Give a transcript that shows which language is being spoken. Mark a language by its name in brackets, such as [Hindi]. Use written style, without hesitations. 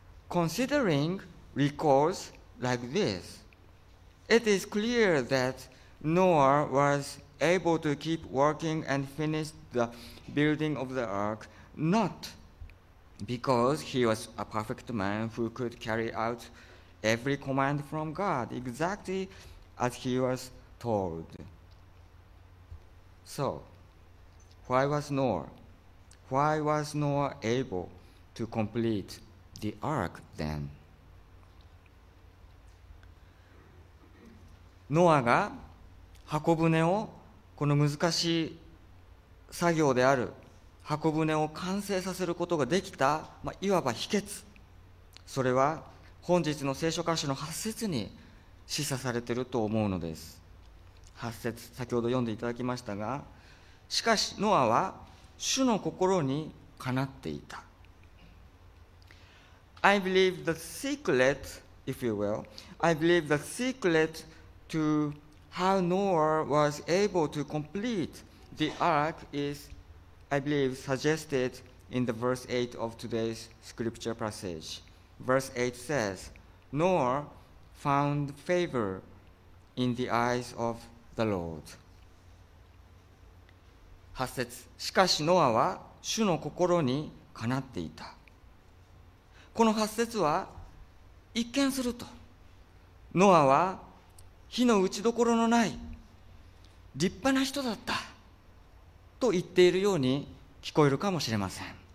[English] Considering records like this, it is clear that Noah was able to keep working and finish the building of the ark, not because he was a perfect man who could carry out every command from God exactly as he was told. So, why was Noah able to complete the ark then? [Japanese] ノアが箱舟を、この難しい作業である箱舟を完成させることができた、いわば秘訣、それは本日の聖書箇所の8節に示唆されていると思うのです。 8節、先ほど読んでいただきましたが、しかしノアは主の心にかなっていた。 [English] I believe the secret to how Noah was able to complete the ark isI believe suggested in the verse 8 of today's scripture passage. Verse 8 says, Noah found favor in the eyes of the Lord. [Japanese] 八節、しかしノアは主の心にかなっていた。この八節は一見するとノアは非の打ちどころのない立派な人だったと言っているように聞こえるかもしれません。